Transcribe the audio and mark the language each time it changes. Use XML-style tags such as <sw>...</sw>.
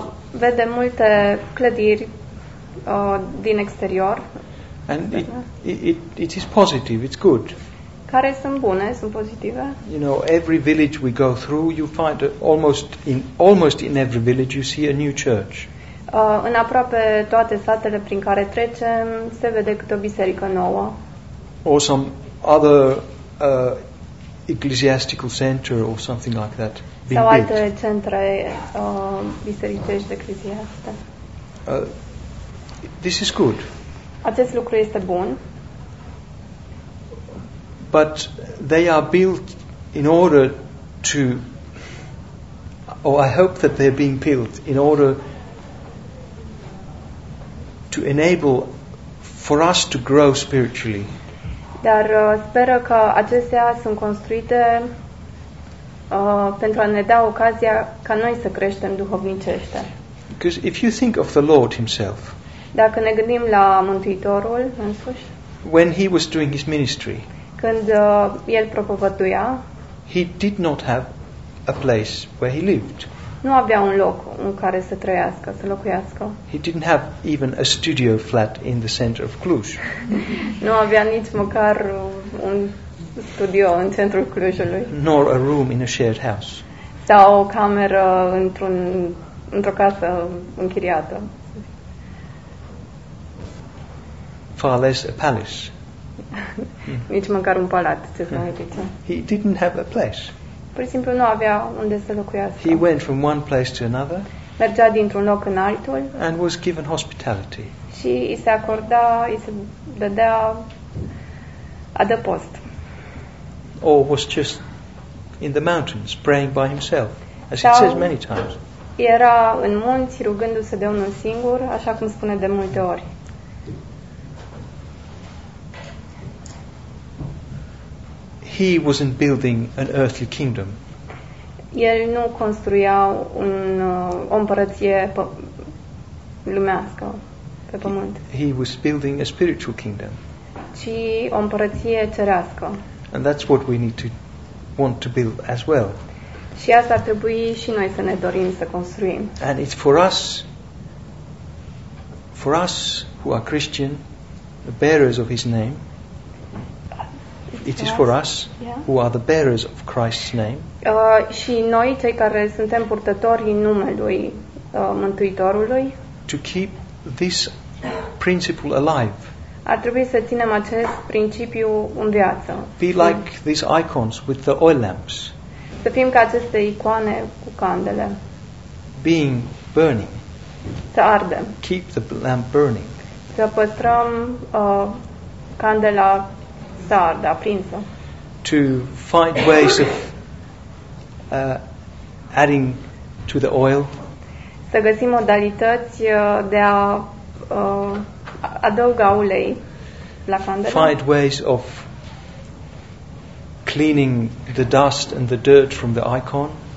<ro>Vede multe clădiri din exterior.</ro> <en>And it is positive, it's good.</en> <ro>Care sunt bune, sunt pozitive.</ro> <en>You know, every village we go through, you find almost in every village you see a new church.</en> <ro>În aproape toate satele prin care trecem, se vede câte o biserică nouă.</ro> <en>Or some other ecclesiastical center or something like that.</en> <ro>Sau alte centre bisericești ecleziaste.</ro> <en>This is good.</en> <ro>Acest lucru este bun.</ro> <en>But they are built in order to, or I hope that they're being built in order to enable for us to grow spiritually.</en> <ro>Dar sper că acestea sunt construite pentru a ne da ocazia ca noi să creștem duhovnicește.</ro> <en>Because if you think of the Lord himself,</en> <ro>dacă ne gândim la Mântuitorul însuși,</ro> <en>when he was doing his ministry,</en> <ro>când el propovăduia,</ro> <en>he did not have a place where he lived.</en> <ro>nu avea un loc în care să trăiască, să locuiască.</ro> <en>He didn't have even a studio flat in the center of Cluj.</en> <ro>Nu avea nici măcar un studio în centrul Clujului.</ro> <en>Nor a room in a shared house.</en> <ro>Sau o cameră într-o casă închiriată.</ro> <en>Far less a palace.</en> <ro>Nici măcar un palat, ce să mai zice.</ro> <en>He didn't have a place.</en> <ro>Pur și simplu nu avea unde să locuiască.</ro> <en>He went from one place to another.</en> <ro>Mergea dintr-un loc în altul.</ro> <en>And was given hospitality.</en> <ro>Și i se acorda, i se dădea adăpost.</ro> <en>Or was just in the mountains praying by himself, as it says many times.</en> <ro>Era în munți rugându-se de unul singur, așa cum spune de multe ori.</ro> <en>He wasn't building an earthly kingdom.</en> <ro>El nu construia o împărăție lumească pe pământ.</ro> <en>He was building a spiritual kingdom.</en> <ro>Ci o împărăție cerească.</ro> <en>And that's what we need to want to build as well.</en> <ro>Și asta ar trebui și noi să ne dorim să construim.</ro> <en>And it's for us who are Christian, the bearers of his name. It is for us who are the bearers of Christ's name.</en> <ro>Și noi cei care suntem purtătorii numelui Mântuitorului.</ro> <en>To keep this principle alive.</en> <ro>Ar trebui să ținem acest principiu în viață.</ro> <en>Be like these icons with the oil lamps.</en> <ro>Să fim ca aceste icoane cu candele.</ro> <en>Being burning.</en> <ro>Să ardem.</ro> <en>Keep the lamp burning.</en> <ro>Să păstrăm candela. Da, aprinsă.</ro> <en>To find ways of adding to the oil.</en> <ro>Să găsim modalități de a adăuga ulei la candelă.</ro> <en>Find ways of cleaning the dust and the dirt from the icon.</en>